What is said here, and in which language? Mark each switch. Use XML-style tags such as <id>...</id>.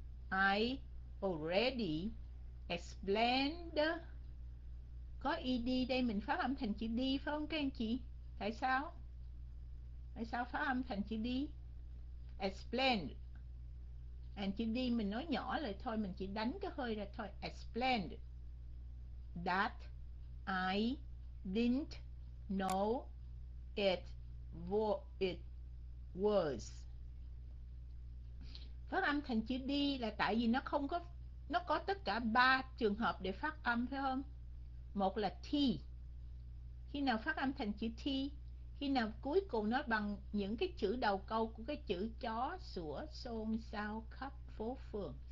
<en>I already explained.</en> <vi>Có ED đây, mình phát âm thành chữ D phải không các anh chị? Tại sao? Tại sao phát âm thành chữ D? Explain. And chữ D mình nói nhỏ lại thôi, mình chỉ đánh cái hơi ra thôi.</vi> <en>Explained that I didn't know it what it was.</en> <vi>Phát âm thành chữ D là tại vì nó không có, nó có tất cả ba trường hợp để phát âm phải không? Một là T. Khi nào phát âm thành chữ T? Khi nào cuối cùng nó bằng những cái chữ đầu câu của cái chữ chó, sủa, xôn, sao, khắp, phố, phường.</vi>